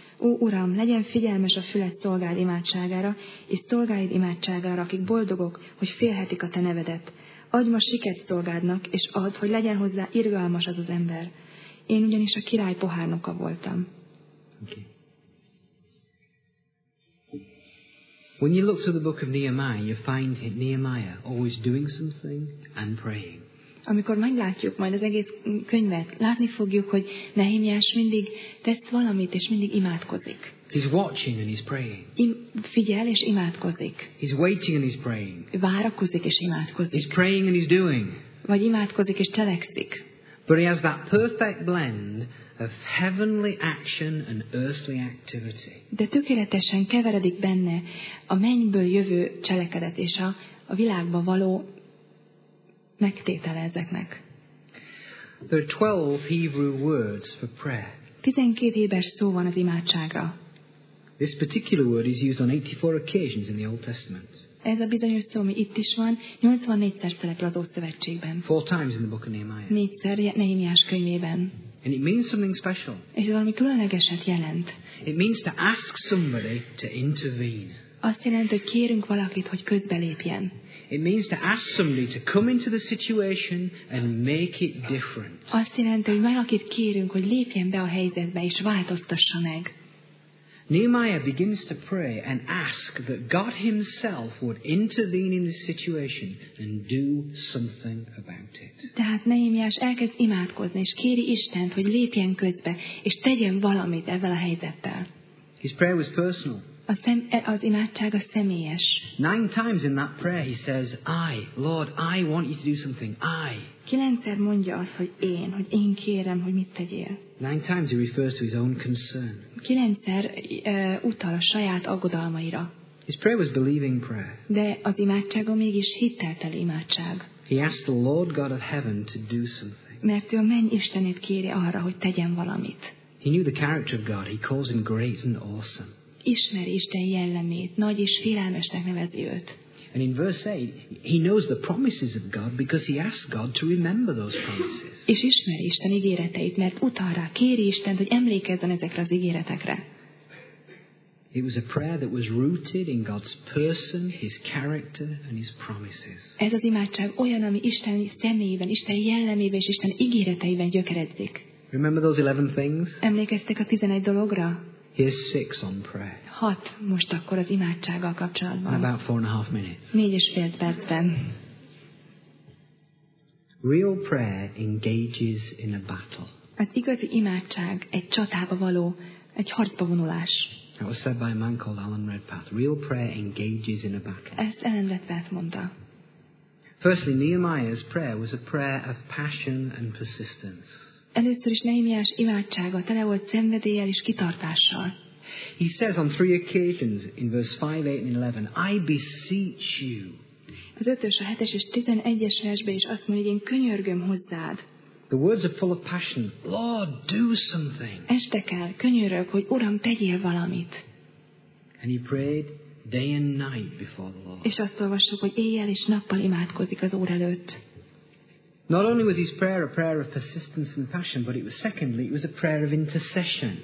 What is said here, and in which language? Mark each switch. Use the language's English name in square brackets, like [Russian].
[Hungarian] Ó, Uram, legyen figyelmes a füled szolgád imádságára, és szolgáid imádságára, akik boldogok, hogy félhetik a te nevedet. Adj ma siket szolgádnak, és add, hogy legyen hozzá irgalmas az az ember. Én ugyanis a király pohárnoka voltam. [English] Okay. When you look through the book of Nehemiah, you find Nehemiah always doing something and praying. [Hungarian] Amikor meglátjuk majd az egész könyvet, látni fogjuk, hogy Nehémiás mindig tesz valamit és mindig imádkozik. [English] He's watching and he's praying. [Hungarian] Figyel és imádkozik. [English] He's waiting and he's praying. [Hungarian] Várakozik és imádkozik. [English] He's praying and he's doing. [Hungarian] Vagy imádkozik és cselekszik. [English] But he has that perfect blend of heavenly action and earthly activity. [Hungarian] De tökéletesen keveredik benne a mennyből jövő cselekedet és a világba való megtétele ezeknek. [English] There are 12 Hebrew words for prayer. [Hungarian] 12 héber szó van az imádságra. [English] This particular word is used on 84 occasions in the Old Testament. [Hungarian] Ez a bizonyos szó, ami itt is van, 84-szer szerepel az Ószövetségben. [English] 4 times in the book of Nehemiah. [Hungarian] 4-szer Nehémiás könyvében. [English] And it means something special. [Hungarian] És ez valami különlegeset jelent. [English] It means to ask somebody to intervene. [Hungarian] Azt jelenti, hogy kérünk valakit, hogy közbelépjen. [English] It means to ask somebody to come into the situation and make it different. [Hungarian] Azt jelenti, hogy valakit kérünk, hogy lépjen be a helyzetbe és változtassa meg. [English] Nehemiah begins to pray and ask that God himself would intervene in the situation and do something about it. [Hungarian] Tehát Nehémiás elkezd imádkozni, és kéri Istent, hogy lépjen közbe, és tegyen valamit ezzel a helyzettel. [English] His prayer was personal. [Hungarian] Az imádsága személyes. [English] 9 times in that prayer he says, I, Lord, I want you to do something, I. [Hungarian] 9-szer mondja azt, hogy én kérem, hogy mit tegyél. [English] 9 times he refers to his own concern. [Hungarian] 9-szer utal a saját aggodalmaira. [English] His prayer was believing prayer. [Hungarian] De az imádsága mégis hittelteli imádság. [English] He asked the Lord God of heaven to do something. [Hungarian] Mert ő a menny Istenét kéri arra, hogy tegyen valamit. [English] He knew the character of God. He calls him great and awesome. [Hungarian] Ismeri Isten jellemét, nagy és félelmesnek nevezi őt. [English] And in verse 8, he knows the promises of God because he asks God to remember those promises. [Hungarian] És ismeri Isten ígéreteit, mert utal rá, kéri Istent, hogy emlékezzen ezekre az ígéretekre. [English] It was a prayer that was rooted in God's person, his character and his promises. [Hungarian] Ez az imádság olyan, ami Isten személyében, Isten jellemében és Isten ígéreteiben gyökeredzik. [English] Remember those 11 things? [Hungarian] Emlékeztek a 11 dologra? [English] Here's 6 on prayer. [Hungarian] 6 most akkor az imádsággal kapcsolatban. [English] About 4.5 minutes. [Hungarian] 4.5 percben. [English] Real prayer engages in a battle. [Hungarian] Az igazi imádság egy csatába való, egy harcba vonulás. [English] That was said by a man called Alan Redpath. Real prayer engages in a battle. [Hungarian] Ezt Alan Redpath mondta. [English] Firstly, Nehemiah's prayer was a prayer of passion and persistence. [Hungarian] Először is Nehemiás imádsága tele volt szenvedéllyel és kitartással. [English] He says on three occasions in verse 5, 8 and 11, I beseech you. [Hungarian] Az ötös, a hetes és tizenegyes versben is azt mondja, hogy én könyörgöm hozzád. [English] The words are full of passion. Lord, do something. [Hungarian] Este kell, könyörög, hogy Uram, tegyél valamit. [English] And he prayed day and night before the Lord. [Hungarian] És azt olvassuk, hogy éjjel és nappal imádkozik az Úr előtt. [English] Not only was his prayer a prayer of persistence and passion, but it was secondly, it was a prayer of intercession.